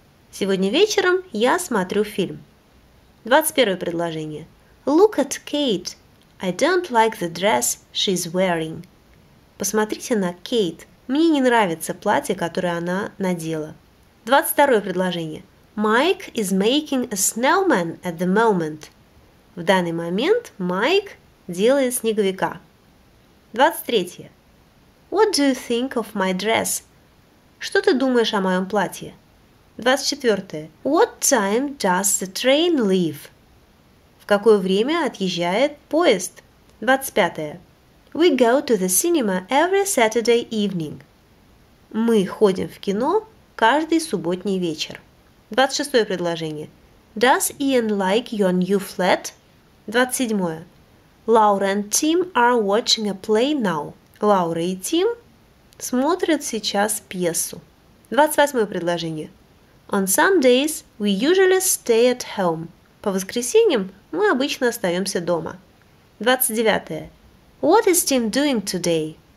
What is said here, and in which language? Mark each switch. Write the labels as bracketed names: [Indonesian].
[Russian] Сегодня вечером я смотрю фильм. 21-е предложение. [English] Look at Kate. I don't like the dress she's wearing. [Russian] Посмотрите на Кейт. Мне не нравится платье, которое она надела. 22-е предложение. [English] Mike is making a snowman at the moment. [Russian] В данный момент Майк делает снеговика. [English] 23. What do you think of my dress? [Russian] Что ты думаешь о моем платье? [English] 24. What time does the train leave? [Russian] В какое время отъезжает поезд? 25. [English] We go to the cinema every Saturday evening. [Russian] Мы ходим в кино каждый субботний вечер. 26-е предложение. [English] Does Ian like your new flat? [Russian] 27-е. [English] Laura and Tim are watching a play now. [Russian] Лаура и Тим смотрят сейчас пьесу. 28-е предложение. [English] On Sundays we usually stay at home. [Russian] По воскресеньям мы обычно остаемся дома. 29-е. [English] What is Tim doing today?